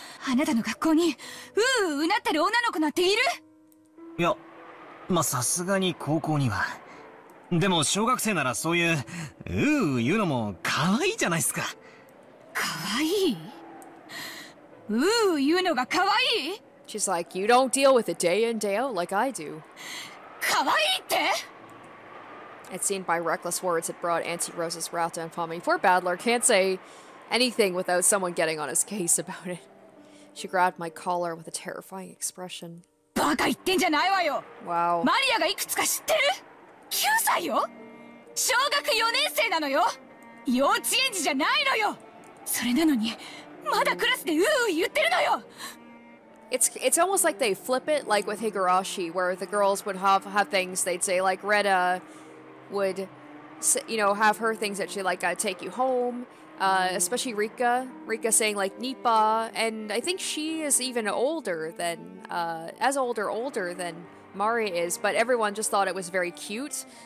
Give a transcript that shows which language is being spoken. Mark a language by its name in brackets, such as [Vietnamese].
[Japanese] あなたの学校にうーううなってる女の子なんている？いや、まあさすがに高校には。でも小学生ならそういうううう言うのも可愛いじゃないですか。可愛い？ううう言うのが可愛い？ [English] She's like, you don't deal with it day in, day out like I do. [Japanese] 可愛いって？ [English] It seemed by reckless words had brought Auntie Rosa's wrath down upon me. Poor Battler can't say anything without someone getting on his case about it. She grabbed my collar with a terrifying expression. [Japanese] ババカ言ってんじゃないわよ。わお。マリアがいくつか知ってる？9歳よ。小学4年生なのよ。幼稚園児じゃないのよ。それなのにまだクラスでうう言ってるのよ。 [English] It's almost like they flip it, like with Higurashi, where the girls would have things they'd say, like Retta would, you know, have her things that she like I'd take you home, especially Rika saying like Nipa, and I think she is even older than Mari is, but everyone just thought it was very cute.